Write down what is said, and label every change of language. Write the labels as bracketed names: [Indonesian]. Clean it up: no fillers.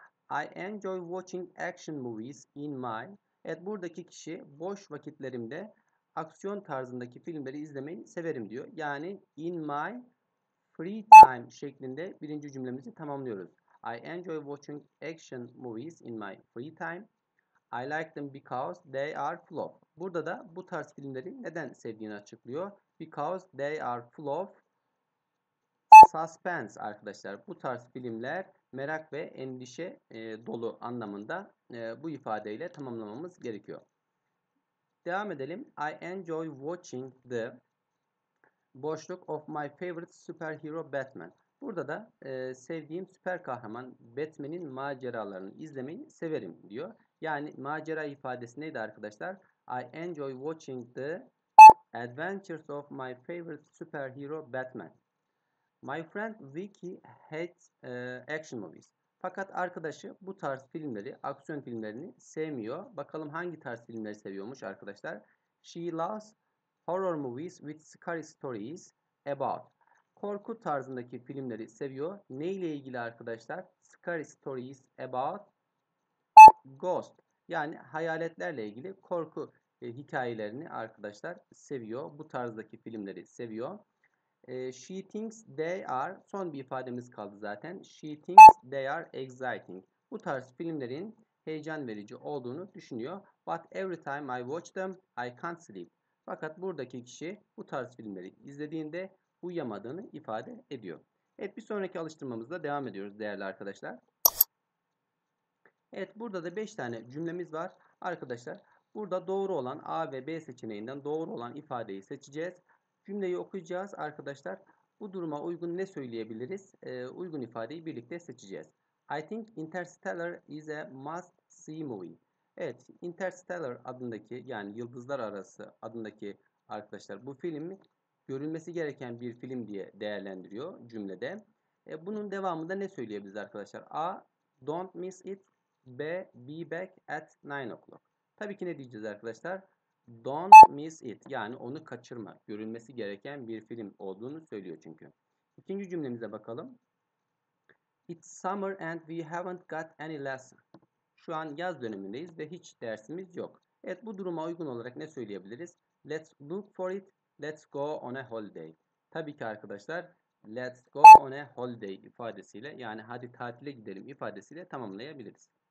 [English] I enjoy watching action movies in my... [Turkish] Evet, buradaki kişi boş vakitlerimde aksiyon tarzındaki filmleri izlemeyi severim diyor. Yani [English] in my free time [Turkish] şeklinde birinci cümlemizi tamamlıyoruz. [English] I enjoy watching action movies in my free time. I like them because they are full of. [Turkish] Burada da bu tarz filmleri neden sevdiğini açıklıyor. [English] Because they are full of suspense [Turkish] arkadaşlar. Bu tarz filmler merak ve endişe dolu anlamında bu ifadeyle tamamlamamız gerekiyor. Devam edelim. [English] I enjoy watching the boşluk of my favorite superhero Batman. [Turkish] Burada da sevdiğim süper kahraman Batman'in maceralarını izlemeyi severim diyor. Yani macera ifadesi neydi arkadaşlar? [English] I enjoy watching the adventures of my favorite superhero Batman. My friend Vicky hates action movies. [Turkish] Fakat arkadaşı bu tarz filmleri, aksiyon filmlerini sevmiyor. Bakalım hangi tarz filmleri seviyormuş arkadaşlar? [English] She loves horror movies with scary stories about. [Turkish] Korku tarzındaki filmleri seviyor. Ne ile ilgili arkadaşlar? [English] Scary stories about ghost. [Turkish] Yani hayaletlerle ilgili korku hikayelerini arkadaşlar seviyor. Bu tarzdaki filmleri seviyor. [English] She thinks they are, [Turkish] son bir ifademiz kaldı zaten. [English] She thinks they are exciting. [Turkish] Bu tarz filmlerin heyecan verici olduğunu düşünüyor. [English] But every time I watch them, I can't sleep. [Turkish] Fakat buradaki kişi bu tarz filmleri izlediğinde uyuyamadığını ifade ediyor. Evet, bir sonraki alıştırmamızla devam ediyoruz değerli arkadaşlar. Evet, burada da 5 tane cümlemiz var arkadaşlar. Burada doğru olan A ve B seçeneğinden doğru olan ifadeyi seçeceğiz. Cümleyi okuyacağız arkadaşlar. Bu duruma uygun ne söyleyebiliriz? Uygun ifadeyi birlikte seçeceğiz. [English] I think Interstellar is a must see movie. [Turkish] Evet, Interstellar adındaki, yani Yıldızlar Arası adındaki arkadaşlar bu filmi görülmesi gereken bir film diye değerlendiriyor cümlede. Bunun devamında ne söyleyebiliriz arkadaşlar? A. [English] Don't miss it. [Turkish] B. [English] Be back at 9 o'clock. [Turkish] Tabii ki ne diyeceğiz arkadaşlar? [English] Don't miss it. [Turkish] Yani onu kaçırma. Görülmesi gereken bir film olduğunu söylüyor çünkü. İkinci cümlemize bakalım. [English] It's summer and we haven't got any lesson. [Turkish] Şu an yaz dönemindeyiz ve hiç dersimiz yok. Evet, bu duruma uygun olarak ne söyleyebiliriz? [English] Let's look for it. Let's go on a holiday. [Turkish] Tabii ki arkadaşlar, let's go on a holiday ifadesiyle, yani hadi tatile gidelim ifadesiyle tamamlayabiliriz.